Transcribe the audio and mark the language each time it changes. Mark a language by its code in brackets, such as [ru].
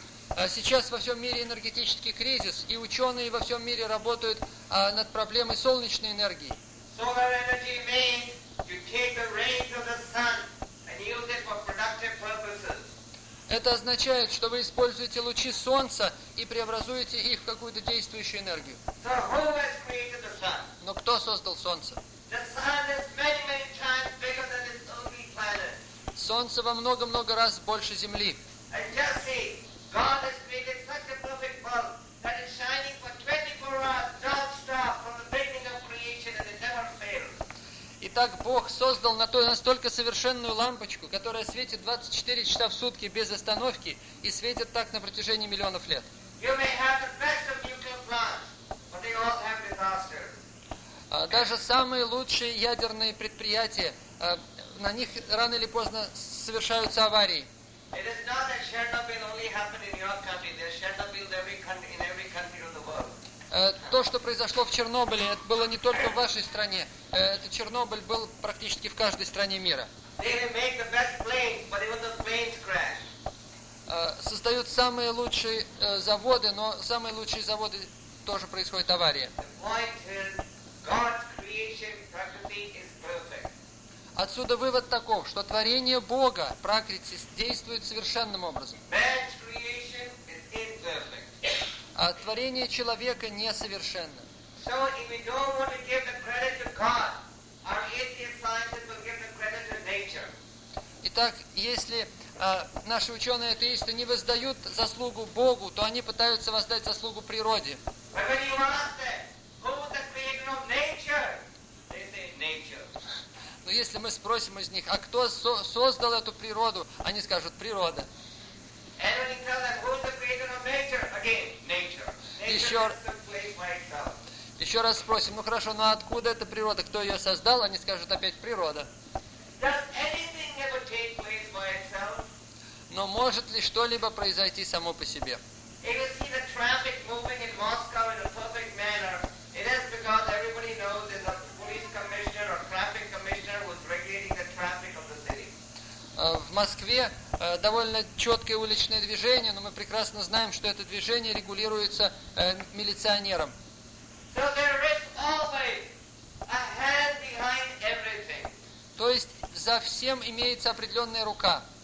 [ru] А сейчас во всем мире энергетический кризис, и ученые во всем мире работают над проблемой солнечной энергии. [en] Solar energy means you take the rays of the sun and use it for productive purposes. [ru] Это означает, что вы используете лучи солнца и преобразуете их в какую-то действующую энергию. [en] So who has created the sun? [ru] Но кто создал солнце? [en] The sun is many, many times bigger than its only planet. [ru] Солнце во много-много раз больше Земли. [en] And just see, God has created such a perfect bulb that is shining for 24 hours, non-stop, from the beginning of creation and it never fails. [ru] Итак, Бог создал на то настолько совершенную лампочку, которая светит 24 часа в сутки без остановки и светит так на протяжении миллионов лет. [en] You may have the best of nuclear plants, but they all have disasters. [ru] Даже самые лучшие ядерные предприятия, на них рано или поздно совершаются аварии. [en] It is not that Chernobyl only happened in your country. There is Chernobyl in every country of the world. [ru] То, что произошло в Чернобыле, это было не только в вашей стране. Этот Чернобыль был практически в каждой стране мира. [en] They didn't make the best planes, but even the planes crashed. [ru] Создают самые лучшие заводы, но самые лучшие заводы тоже происходят аварии. [en] The point is, God's creation practically is perfect. [ru] Отсюда вывод таков, что творение Бога, Пракрити, действует совершенным образом. [en] Man's creation is imperfect. [ru] А творение человека несовершенно. [en] So if we don't want to give the credit to God, our atheist scientists will give the credit to nature. [ru] Итак, если наши ученые-атеисты не воздают заслугу Богу, то они пытаются воздать заслугу природе. [en] When you ask them, who was the creator of nature? They say nature. [ru] Но если мы спросим из них, а кто создал эту природу, они скажут природа. [en] And when you tell them who's the creator of nature, again, nature. [ru] Еще раз спросим, ну хорошо, ну откуда эта природа, кто ее создал, они скажут опять природа. [en] Does anything ever take place by itself? [ru] Но может ли что-либо произойти само по себе? [en] If you see the traffic moving in Moscow in a perfect manner, it is because everybody knows there's a police commissioner or traffic commissioner who's regulating the traffic of the city. [ru] В Москве довольно четкое уличное движение, но мы прекрасно знаем, что это движение регулируется милиционером. [en] So there is always a hand behind everything. [ru] То есть за всем имеется определенная рука.